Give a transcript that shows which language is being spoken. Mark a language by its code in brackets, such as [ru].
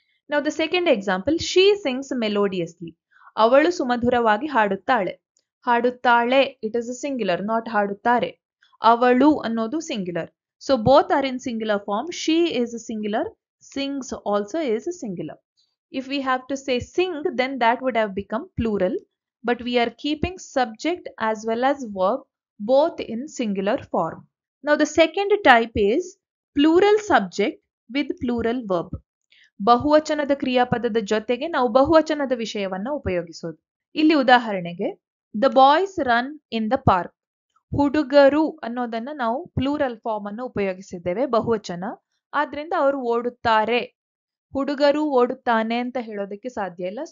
[en] now the second example, she sings melodiously, [kn] ಅವಳು ಸುಮಧುರವಾಗಿ ಹಾಡುತ್ತಾಳೆ. ಹಾಡುತ್ತಾಳೆ [en] it is a singular, not [kn] ಹಾಡುತ್ತಾರೆ. ಅವಳು ಅನ್ನೋದು singular. [en] So both are in singular form. She is a singular, sings also is a singular. If we have to say sing, then that would have become plural. But we are keeping subject as well as verb both in singular form. Now the second type is plural subject with plural verb. [kn] ಬಹುವಚನದ ಕ್ರಿಯಾಪದದ ಜೊತೆಗೆ ನಾವು ಬಹುವಚನದ ವಿಷಯವನ್ನು ಉಪಯೋಗಿಸೋದು. ಇಲ್ಲಿ ಉದಾಹರಣೆಗೆ, [en] The boys run in the park. [kn] ಹುಡುಗರು ಅನ್ನೋದನ್ನ ನಾವು plural form ಅನ್ನು ಉಪಯೋಗಿಸಿದ್ದೇವೆ, ಬಹುವಚನ. ಆದ್ರಿಂದ ಅವರು ಓಡುತ್ತಾರೆ, ಹುಡುಗರು ಓಡುತ್ತಾನೆ ಅಂತ ಹೇಳೋದಕ್ಕೆ ಸಾಧ್ಯ ಇಲ್ಲ.